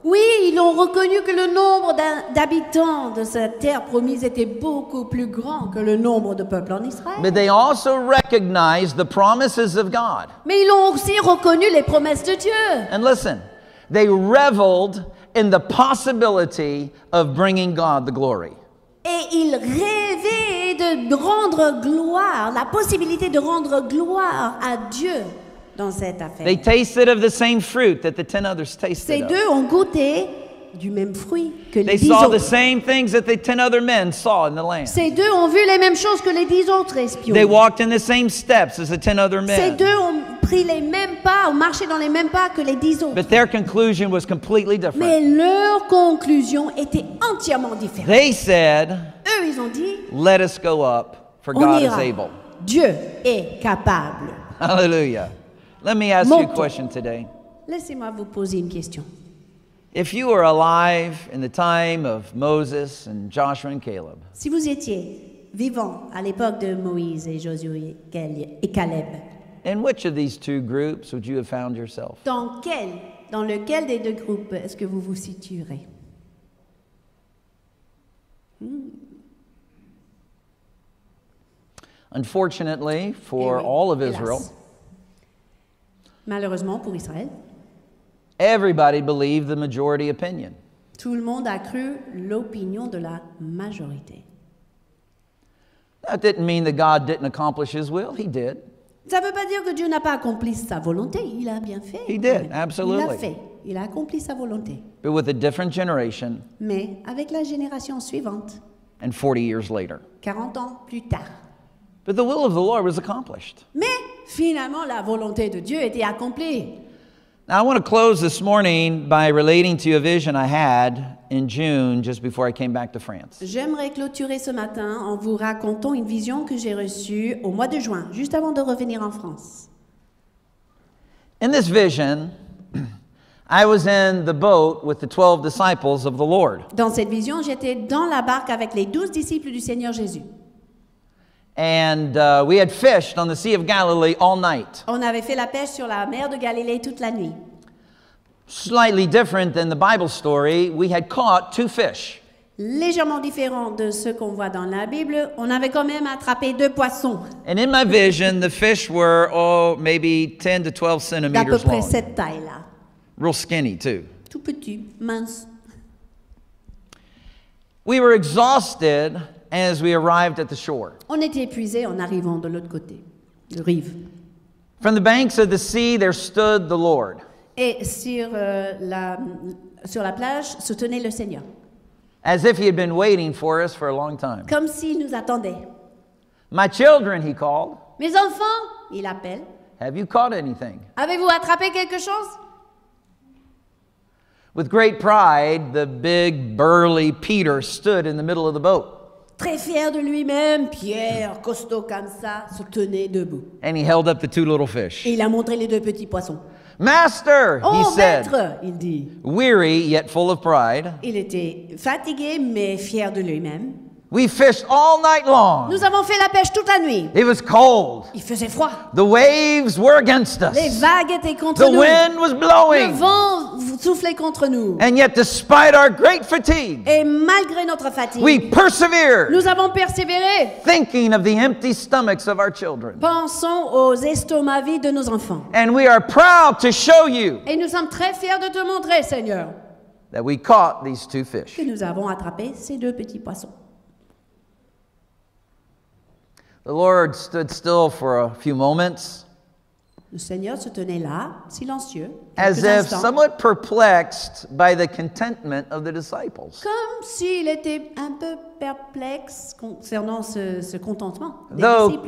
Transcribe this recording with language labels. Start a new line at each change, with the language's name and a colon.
French: Oui, ils ont reconnu que le nombre d'habitants de cette terre promise était beaucoup plus grand que le nombre de peuples en Israël.
English: But they also recognized the promises of God.
French: Mais ils ont aussi reconnu les promesses de Dieu.
English: And listen, they reveled in the possibility of bringing God the glory.
French: Et ils rêvaient de rendre gloire, la possibilité de rendre gloire à Dieu dans cette affaire.
English: They tasted of the same fruit that the 10 others tasted.
French: Ces deux ont goûté du même fruit que les 10 autres.
English: They saw the same things that the 10 other men saw in the land.
French: Ces deux ont vu les mêmes choses que les 10 autres espions.
English: They walked in the same steps as the 10 other men.
French: Ces deux ont pris les mêmes pas, ont marché dans les mêmes pas que les 10 autres.
English: But their conclusion was completely different.
French: Mais leur conclusion était entièrement différente.
English: They said,
French: eux, ils ont dit,
English: let us go up, for God is able.
French: Dieu est capable.
English: Hallelujah. Let me ask you a question today.
French: Laissez-moi vous poser une question.
English: If you were alive in the time of Moses and Joshua and Caleb,
French: si vous étiez vivant à l'époque de Moïse et Josué et Caleb,
English: in which of these two groups would you have found yourself?
French: Dans lequel des deux groupes est-ce que vous vous situerez?
English: Unfortunately, for all of Israel,
French: malheureusement pour Israël,
English: everybody believed the majority opinion.
French: Tout le monde a cru l'opinion de la majorité.
English: That didn't mean that God didn't accomplish His will. He did.
French: Ça ne veut pas dire que Dieu n'a pas accompli sa volonté. Il a bien fait.
English: He did, absolutely.
French: Il a fait. Il a accompli sa volonté.
English: But with a different generation.
French: Mais avec la génération suivante.
English: And 40 years later.
French: 40 ans plus tard.
English: But the will of the Lord was accomplished.
French: Mais finalement, la volonté de Dieu était accomplie.
English: Now I want to close this morning by relating to a vision I had in June, just before I came back to France.
French: J'aimerais clôturer ce matin en vous racontant une vision que j'ai reçue au mois de juin, juste avant de revenir en France.
English: In this vision, I was in the boat with the 12 disciples of the Lord.
French: Dans cette vision, j'étais dans la barque avec les 12 disciples du Seigneur Jésus.
English: And we had fished on the Sea of Galilee all night.
French: On avait fait la pêche sur la mer de Galilée toute la nuit.
English: Slightly different than the Bible story, we had caught 2 fish.
French: Légèrement différent de ce qu'on voit dans la Bible, on avait quand même attrapé 2 poissons.
English: And in my vision, the fish were, maybe 10 to 12 centimeters long.
French: D'à peu près cette taille-là.
English: Real skinny, too.
French: Tout petit, mince.
English: We were exhausted as we arrived at the shore.
French: On était épuisés en arrivant de l'autre côté, de rive.
English: From the banks of the sea, there stood the Lord.
French: Et sur la plage se tenait le Seigneur.
English: As if he had been waiting for us for a long time.
French: Comme s'il nous attendait.
English: My children, he called.
French: Mes enfants, il appelle.
English: Have you caught anything?
French: Avez-vous attrapé quelque chose?
English: With great pride, the big burly Peter stood in the middle of the boat.
French: Très fier de lui-même, Pierre, costaud comme ça, se tenait debout.
English: And he held up the 2 little fish.
French: Et il a montré les 2 petits poissons.
English: Master, oh, he said,
French: maître, il dit,
English: weary yet full of pride.
French: Il était fatigué mais fier de lui-même.
English: We fished all night long.
French: Nous avons fait la pêche toute la nuit.
English: It was cold.
French: Il faisait froid.
English: The waves were against us.
French: Les vagues étaient contre
English: the
French: nous.
English: The wind was blowing.
French: Le vent soufflait contre nous.
English: And yet, despite our great fatigue,
French: et malgré notre fatigue,
English: we persevered.
French: Nous avons persévéré.
English: Thinking of the empty stomachs of our children.
French: Pensons aux estomacs vides de nos enfants.
English: And we are proud to show you.
French: Et nous sommes très fiers de te montrer, Seigneur,
English: that we caught these 2 fish.
French: Que nous avons attrapé ces 2 petits poissons.
English: The Lord stood still for a few moments.
French: Le Seigneur se tenait là, silencieux,
English: as if somewhat perplexed by the contentment of the disciples.
French: Comme s'il était un peu perplexe concernant ce contentement des disciples.